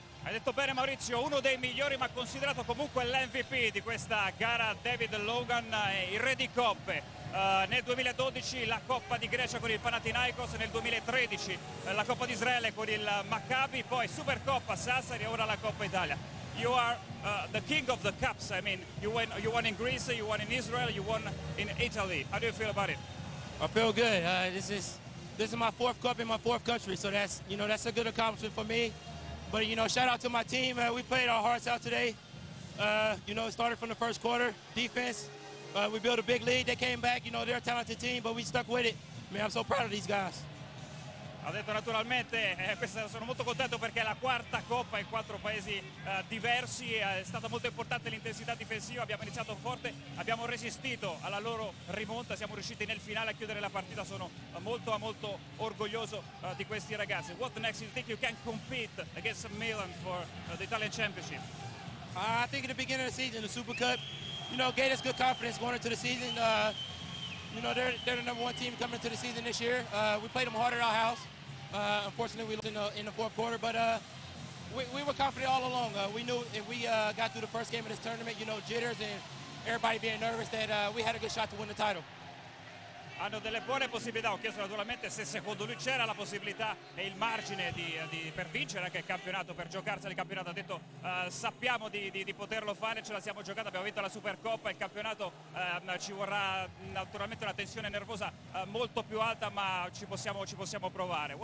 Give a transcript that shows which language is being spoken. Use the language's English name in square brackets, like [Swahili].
[Italian] Hai detto bene Maurizio, uno dei migliori, ma considerato comunque l'MVP di questa gara David Logan, il re di coppe. Nel 2012 la Coppa di Grecia con il Panathinaikos, nel 2013 la Coppa di Israele con il Maccabi, poi Supercoppa Sassari e ora la Coppa Italia. [English] You are the king of the cups. I mean, you won in Greece, you won in Israel, you won in Italy. How do you feel about it? I feel good. This is my fourth cup in my fourth country, so that's a good accomplishment for me. But you know, shout out to my team. We played our hearts out today. It started from the first quarter. Defense. We built a big lead. They came back. You know, they're a talented team, but we stuck with it. Man, I'm so proud of these guys. [Italian] Ha detto naturalmente, sono molto contento perché è la quarta coppa in quattro paesi diversi, è stata molto importante l'intensità difensiva, abbiamo iniziato forte, abbiamo resistito alla loro rimonta, siamo riusciti nel finale a chiudere la partita, sono molto orgoglioso di questi ragazzi. [English] What next? You think you can compete against Milan for the Italian Championship? I think at the beginning of the season, the Super Cup, you know, gave us good confidence going into the season. You know, they're the number one team coming into the season this year. We played them hard at our house. Unfortunately, we lost in the fourth quarter, but we were confident all along. We knew if we got through the first game of this tournament, you know, jitters and everybody being nervous, that we had a good shot to win the title. [Italian] Hanno delle buone possibilità, ho chiesto naturalmente se secondo lui c'era la possibilità e il margine di per vincere anche il campionato, per giocarsi il campionato, ha detto sappiamo di poterlo fare, ce la siamo giocata, abbiamo vinto la Supercoppa, il campionato ci vorrà naturalmente una tensione nervosa molto più alta, ma ci possiamo provare.